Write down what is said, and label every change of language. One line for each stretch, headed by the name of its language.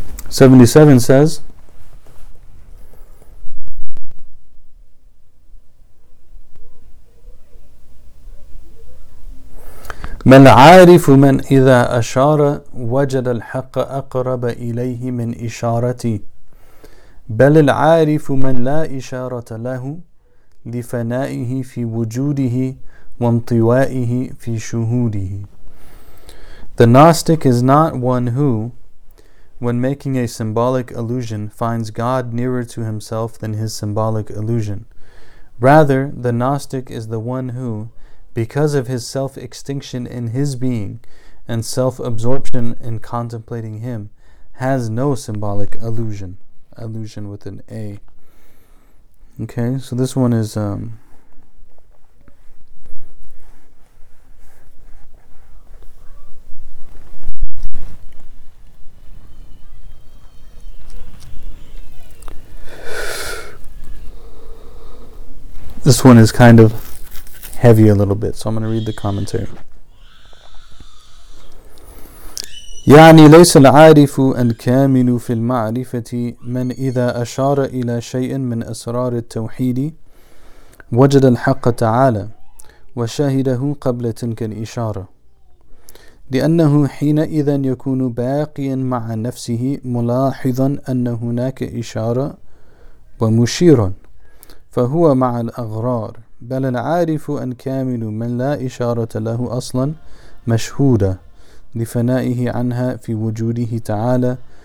Arabic: Says, من عارف من إذا أشار وجد الحق أقرب إليه من إشارتي بل العارف من لا إشارة له لفنائه في وجوده وانطوائه في شهوده.
English: The Gnostic is not one who, when making a symbolic allusion, finds God nearer to himself than his symbolic allusion. Rather, the Gnostic is the one who, because of his self-extinction in his being and self-absorption in contemplating him, has no symbolic allusion. Allusion with an A. Okay, so this one is this one is kind of heavy a little bit, so I'm going to read the commentary.
Arabic: يعني ليس العارف الكامل في المعرفة من إذا أشار إلى شيء من أسرار التوحيد وجد الحق تعالى وشاهده قبل تلك الإشارة لأنه حينئذ يكون باقيا مع نفسه ملاحظا أن هناك إشارة ومشيرا فهو مع الأغرار بل العارف أن كامل من لا إشارة له أصلا مشهودة لفنائه عنها في وجوده تعالى